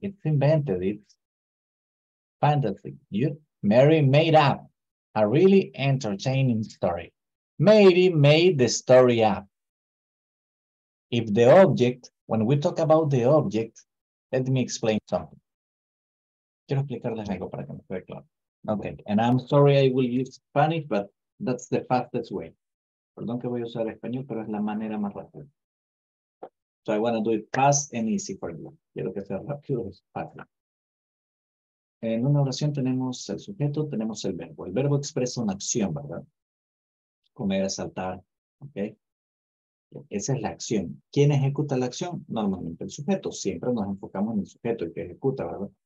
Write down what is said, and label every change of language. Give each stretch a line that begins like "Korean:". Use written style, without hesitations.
English: It's invented, it's fantasy. Mary made up a really entertaining story. Mary made the story up. If the object, when we talk about the object, let me explain something.
Spanish: Quiero explicarles algo para que me quede claro.
English: Okay, and I'm sorry I will use Spanish, but that's the fastest way.
Spanish: Perdón que voy a usar español, pero es la manera más rápida.
English: So I want to do it fast and easy for you.
Spanish: Quiero que sea rápido, fácil. En una oración tenemos el sujeto, tenemos el verbo. El verbo expresa una acción, ¿verdad? Comer, saltar, okay. Esa es la acción. ¿Quién ejecuta la acción? Normalmente el sujeto. Siempre nos enfocamos en el sujeto, el que ejecuta, ¿verdad?